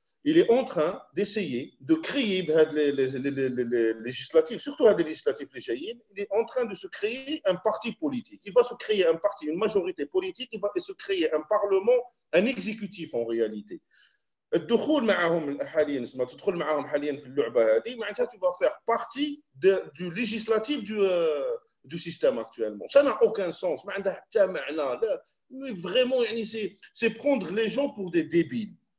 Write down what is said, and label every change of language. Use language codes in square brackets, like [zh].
[fr] Il est en train d'essayer de créer بهاد les législatives, surtout هاد les législatives les جايين. Il est en train de se créer un parti politique. Il va se créer un parti, une majorité politique. Il va se créer un parlement, un exécutif en réalité. [ar] الدخول معهم حاليا اسمها تدخل معهم حاليا في اللعبة هذه معناتها [fr] tu vas faire partie du législatif du système actuellement. Ça n'a aucun sens. Mais vraiment, c'est prendre les gens pour des débiles.